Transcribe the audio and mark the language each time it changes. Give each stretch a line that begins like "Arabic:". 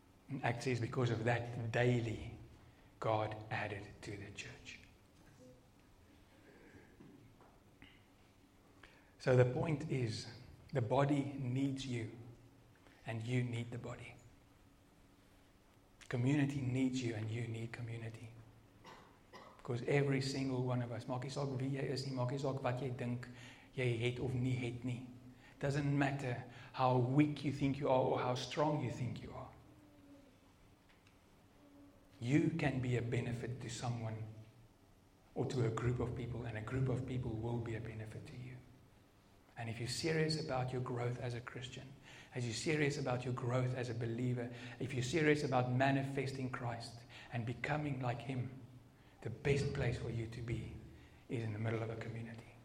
English: And Acts says, because of that,
Afrikaans: daily God added to the church.
English: So the point is, the body needs you, and you need the body. Community needs you, and you need community. Because every single one of us,
Afrikaans: maak nie saak wie jy is nie, maak nie saak wat jy dink jy het of nie het nie.
English: Doesn't matter how weak you think you are or how strong you think you are. You can be a benefit to someone or to a group of people, and a group of people will be a benefit to you. And if you're serious about your growth as a Christian, as you're serious about your growth as a believer, if you're serious about manifesting Christ and becoming like Him, the best place for you to be is in the middle of a community.